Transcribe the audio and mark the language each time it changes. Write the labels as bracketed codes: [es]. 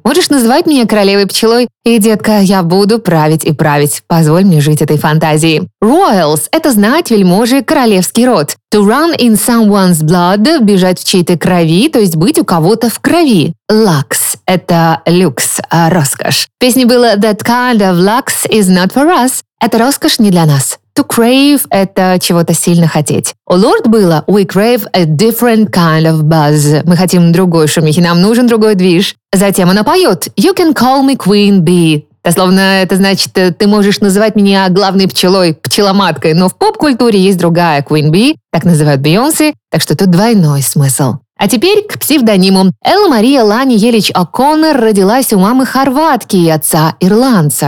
[ru] Можешь называть меня королевой пчелой? И, детка, я буду править и править. Позволь мне жить этой фантазией. Royals – это знать, вельможи, королевский род. [en] To run in someone's blood [ru] – бежать в чьей-то крови, то есть быть у кого-то в крови. Lux – это люкс, роскошь. В песне было [en] «That kind of lux is not for us». [ru] Это роскошь не для нас. To crave – это чего-то сильно хотеть. У Lord было [en] «We crave a different kind of buzz». [ru] Мы хотим другой шумихи, нам нужен другой движ. Затем она поет [en] «You can call me Queen Bee». [ru] Дословно это значит «Ты можешь называть меня главной пчелой, пчеломаткой». Но в поп-культуре есть другая Queen Bee, так называют Бейонсе, так что тут двойной смысл. А теперь к псевдониму. Элла Мария Лани Елич О'Коннор родилась у мамы хорватки и отца ирландца.